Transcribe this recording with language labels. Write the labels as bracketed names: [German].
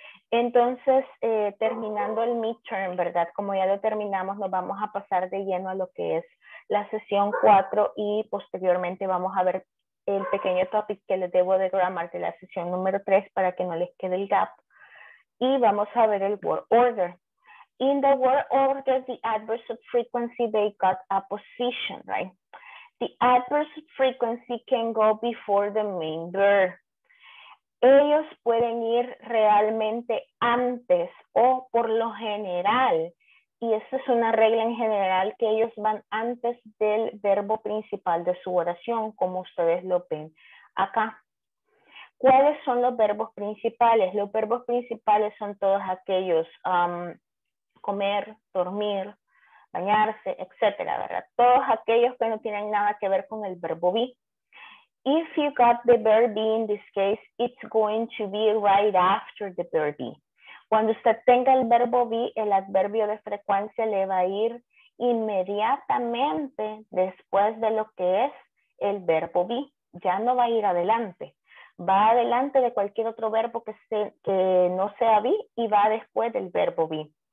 [Spanish] Entonces, terminando el midterm, ¿verdad? Como ya lo terminamos, nos vamos a pasar de lleno a lo que es la sesión 4 y posteriormente vamos a ver el pequeño topic que les debo de grammar de la sesión número 3 para que no les quede el gap. Y vamos a ver el word order. [English] In the word order, the adverbs of frequency, they got a position, right? The adverbs of frequency can go before the main verb. [Spanish] Ellos pueden ir realmente antes o por lo general, y esta es una regla en general, que ellos van antes del verbo principal de su oración, como ustedes lo ven acá. ¿Cuáles son los verbos principales? Los verbos principales son todos aquellos, comer, dormir, bañarse, etcétera, ¿verdad? Todos aquellos que no tienen nada que ver con el verbo be. [English] If you got the verb be in this case, it's going to be right after the verb be. [Spanish] Cuando usted tenga el verbo be, el adverbio de frecuencia le va a ir inmediatamente después de lo que es el verbo be. Ya no va a ir adelante. Va adelante de cualquier otro verbo que no sea be y va después del verbo be.